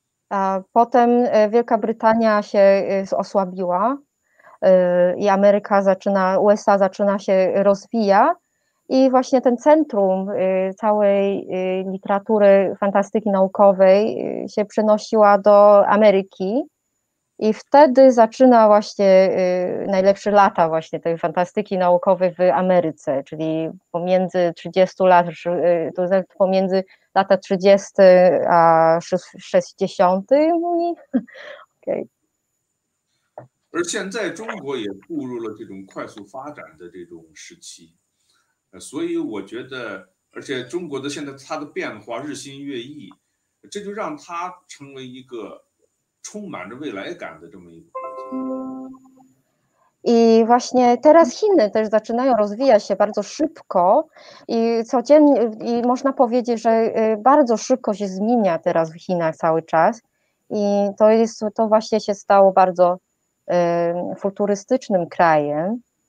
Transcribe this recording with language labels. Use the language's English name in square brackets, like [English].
[Polish] A potem Wielka Brytania się osłabiła i USA zaczyna się rozwijać i właśnie ten centrum całej literatury fantastyki naukowej się przenosiła do Ameryki I wtedy zaczyna właśnie najlepsze lata właśnie tej fantastyki naukowej w Ameryce, czyli pomiędzy 30 lat, to jest pomiędzy lata 30 a 60. I, okay. [Chinese] 而且在中国也步入了这种快速发展的这种时期，所以我觉得，而且中国的现在它的变化日新月异，这就让它成为一个充满着未来感的这么一个国家。I [Polish] właśnie teraz Chiny też zaczynają rozwijać się bardzo szybko i codziennie i można powiedzieć, że bardzo szybko się zmienia teraz w Chinach cały czas i to jest to właśnie się stało bardzo futurystycznym krajem.